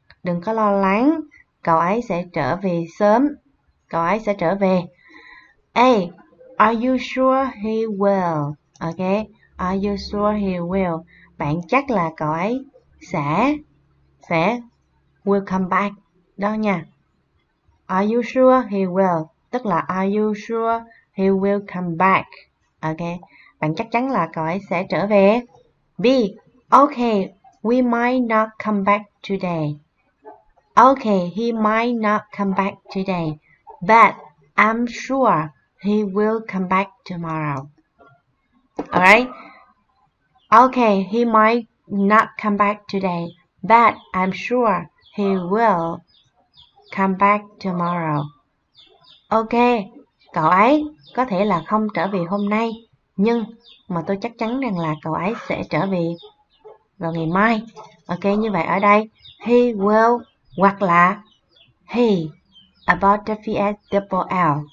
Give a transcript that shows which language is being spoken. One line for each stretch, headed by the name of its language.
Vietnamese: Đừng có lo lắng, cậu ấy sẽ trở về sớm. Cậu ấy sẽ trở về.
English: A, are you sure he will? Ok, are you sure he will?
Vietnamese: Bạn chắc là cậu ấy sẽ
English: will come back
Vietnamese: đó nha.
English: Are you sure he will?
Vietnamese: Tức là
English: are you sure he will come back?
Vietnamese: Ok, bạn chắc chắn là cậu ấy sẽ trở về.
English: B, ok, we might not come back today. Ok, he might not come back today, but I'm sure he will come back tomorrow. Alright? Ok, he might not come back today, but I'm sure he will come back tomorrow.
Vietnamese: Ok, cậu ấy có thể là không trở về hôm nay, nhưng mà tôi chắc chắn rằng là cậu ấy sẽ trở về vào ngày mai. Ok, như vậy ở đây,
English: he will
Vietnamese: hoặc là
English: he, apostrophe S double L.